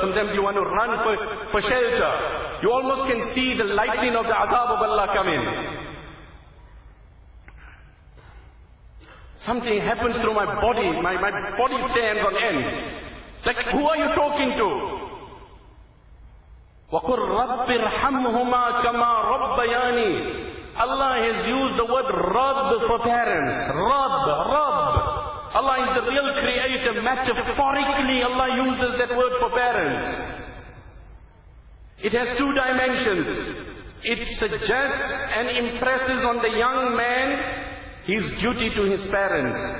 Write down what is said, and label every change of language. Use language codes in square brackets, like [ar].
[en] Sometimes you want to run for shelter. You almost can see the lightning of the azab of Allah coming. Something happens through my body. My body stands on end. Like, who are you talking to? [ar] وقل رب ارحمهما كما ربياني. [en] Allah has used the word Rabb for parents. Rabb, Rabb. Allah is the real creator. Metaphorically, Allah uses that word for parents. It has two dimensions. It suggests and impresses on the young man his duty to his parents.